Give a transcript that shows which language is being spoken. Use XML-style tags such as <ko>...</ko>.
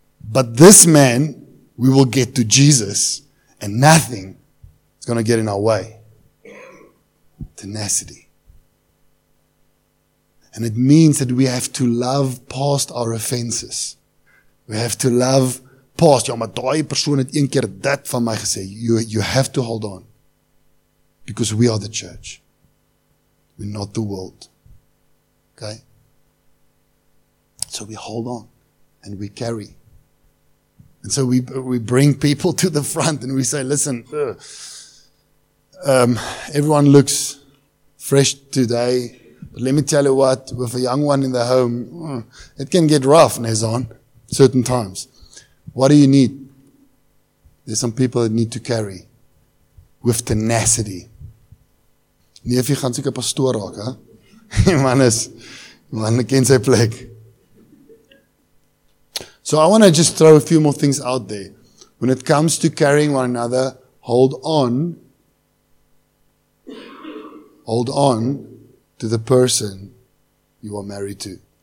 <en>But this man, we will get to Jesus, and nothing is going to get in our way. Tenacity. And it means that we have to love past our offenses. We have to love past.</en> <af>Ja, maar daai persoon het een keer dit van my gesê.</af> <en>You have to hold on. Because we are the church. We're not the world. Okay? So we hold on. And we carry. And so we bring people to the front and we say, listen, everyone looks fresh today. But let me tell you what, with a young one in the home, it can get rough, Nezon, certain times. What do you need? There's some people that need to carry with tenacity.</en> <af>Nie of jy gaan soek 'n pastoor raak, hè? Man ken sy plek.</af> <en>So I want to just throw a few more things out there. When it comes to carrying one another, hold on. Hold on to the person you are married to.</en>